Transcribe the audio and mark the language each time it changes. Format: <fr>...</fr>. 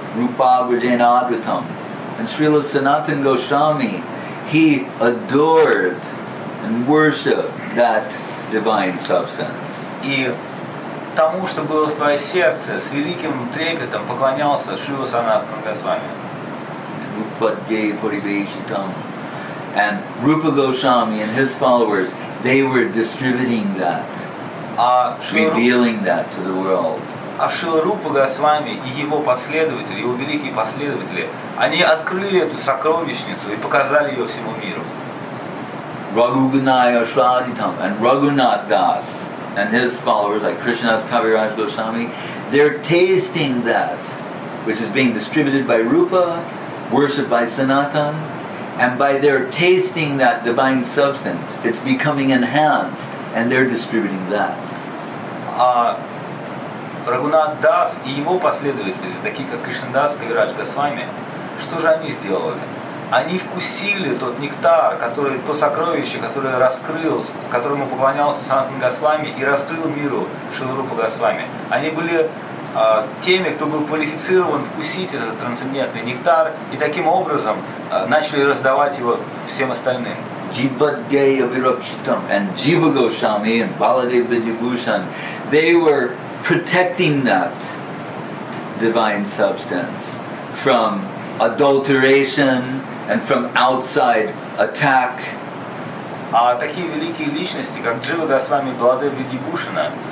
<sa>Rupa Vajanadratam.</sa> <en>And Srila Sanatana Goswami, he adored and worshipped that divine substance.</en> <ru>И тому, что было в твое сердце, с великим трепетом поклонялся Шрила Санатана Госвами.</ru> <sa>Rupadgay Paribeshitam.</sa> <en>And Rupa Goswami and his followers, they were distributing that, revealing that to the world.</en> <ru>А Шрила Рупа Госвами и его последователи, его великие последователи, они открыли эту сокровищницу и показали ее всему миру.</ru> <sa>Raghugunaya Shraditam.</sa> <en>And Raghunath Das and his followers, like Krishnadas Kaviraj Goswami, they're tasting that, which is being distributed by Rupa, worshipped by Sanatan. And by their tasting that divine substance, it's becoming enhanced, and they're distributing that.</en> <ru>Raghunath Das и его последователи, такие как Кришнадас Кавирадж Госвами, что же они сделали? Они вкусили тот нектар, который, то сокровище, которое раскрылось, которому поклонялся Санатан Госвами и раскрыл миру Шрила Рупа Госвами. Они были теми, кто был квалифицирован вкусить этот трансцендентный нектар, и таким образом начали раздавать его всем остальным.</ru> <en>Jivadeya Virakshitam and Jiva Goswami and Baladeva Vibhushan, they were protecting that divine substance from adulteration and from outside attack.</en> <ru>А такие великие личности, как Джива Госвами и Баладева Вибхушана,</ru>